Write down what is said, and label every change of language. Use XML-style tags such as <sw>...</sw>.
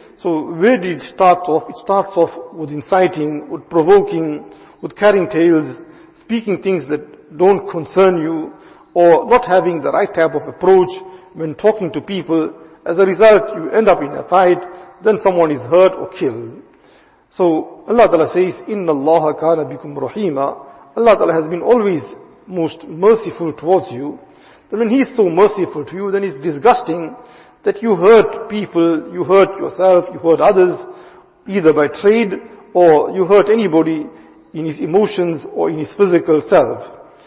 <en>So where did it start off? It starts off with inciting, with provoking, with carrying tales, speaking things that don't concern you, or not having the right type of approach when talking to people. As a result, you end up in a fight, then someone is hurt or killed. So Allah Ta'ala says,</en> <ar>إِنَّ اللَّهَ كَانَ بِكُمْ رَحِيمًا.</ar> <en>Allah Ta'ala has been always most merciful towards you. Then when He is so merciful to you, then it's disgusting that you hurt people, you hurt yourself, you hurt others, either by trade or you hurt anybody in his emotions or in his physical self.</en>